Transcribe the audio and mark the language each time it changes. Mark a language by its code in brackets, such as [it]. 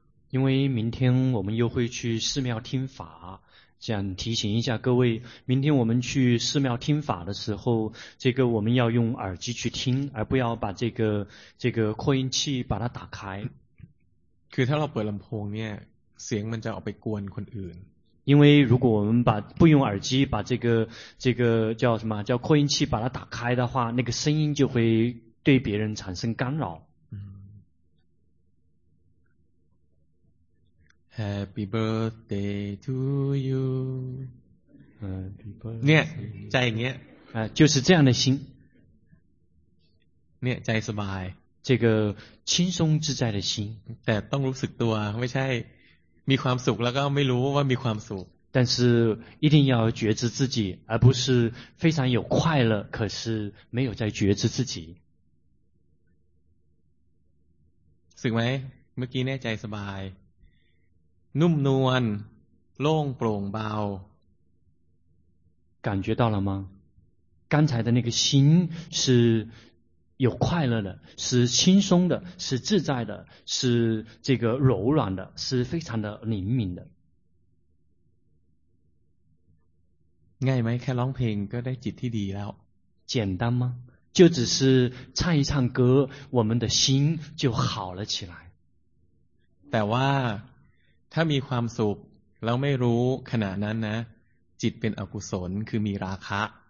[zh] 因为明天我们又会去寺庙听法想提醒一下各位明天我们去寺庙听法的时候这个我们要用耳机去听而不要把这个扩音器把它打开 [th] คือถ้าเราเปิดลำโพงเนี่ยเสียงมันจะออกไปกวนคนอื่น [zh] 因为如果我们把不用耳机把这个叫什么叫扩音器把它打开的话那个声音就会对别人产生干扰 [en] Happy birthday to you Happy birthday [zh] 这样就是这样的心这样 [th] สบาย [zh] 这个轻松自在的心 [th] แต่ต้องรู้สึกตัวไม่ใช่ มีความสุขแล้วก็ไม่รู้ว่ามีความสุข [zh] 但是一定要觉知自己而不是非常有快乐可是没有在觉知自己 [th] สึกไหมเมื่อกี้แน่ใจสบายนุ่มนวลโล่งโปร่งเบา [zh] 感觉到了吗刚才的那个心是有快乐的是轻松的是自在的是这个柔软的是非常的灵敏的 [th] ง่ายไหมแค่ร้องเพลงก็ได้จิตที่ดีแล้ว [zh] 简单吗就只是唱一唱歌我们的心就好了起来 [th] แต่ว่าถ้ามีความสุขแล้วไม่รู้ขณะนั้นนะจิตเป็นอกุศลคือมีราคะ